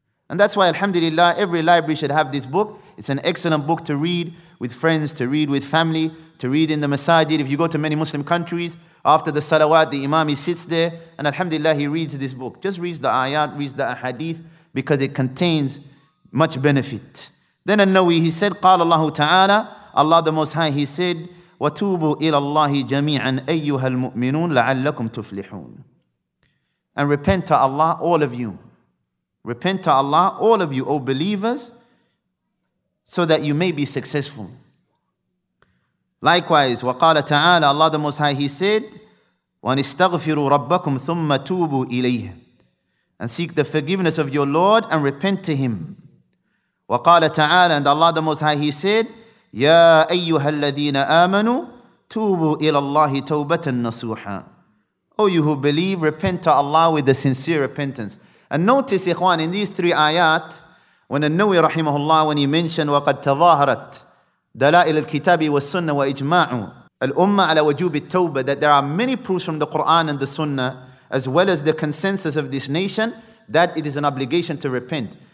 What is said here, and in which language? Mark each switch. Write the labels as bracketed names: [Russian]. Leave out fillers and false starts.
[English] And that's why, alhamdulillah, every library should have this book. It's an excellent book to read with friends, to read with family, to read in the masajid. If you go to many Muslim countries, after the salawat, the imam, he sits there, and alhamdulillah, he reads this book. Just reads the ayat, reads the ahadith, because it contains much benefit. Then An-Nawawi, he said, قال الله تعالى, Allah the Most High, he said, وَتُوبُوا إِلَى اللَّهِ جَمِيعًا أَيُّهَا الْمُؤْمِنُونَ لَعَلَّكُمْ تُفْلِحُونَ. And repent to Allah, all of you. Repent to Allah, all of you, O believers, so that you may be successful. Likewise, وَقَالَ تَعَالَى, Allah the Most High, he said, وَنِسْتَغْفِرُوا رَبَّكُمْ ثُمَّ تُوبُوا إِلَيْهِ. And seek the forgiveness of your Lord and repent to him. [Arabic] وَقَالَ تَعَالَى, and Allah the Most High, he said, يَا أَيُّهَا الَّذِينَ آمَنُوا تُوبُوا إِلَى اللَّهِ تَوْبَةً نَصُوحًا. [English] O you who believe, repent to Allah with a sincere repentance. And notice, ikhwan, in these three ayat, when An-Nawawi rahimahullah, when he mentioned, وَقَدْ تَظَاهَرَتْ دَلَائِلَ الْكِتَابِ وَالسُّنَّةِ وَإِجْمَاعُ الْأُمَّةِ عَلَى وَجُوبِ التَّوْبَةِ, that there are many proofs from the Qur'an and the Sunnah, as well as the consensus of this nation, that it is an obligation to repent.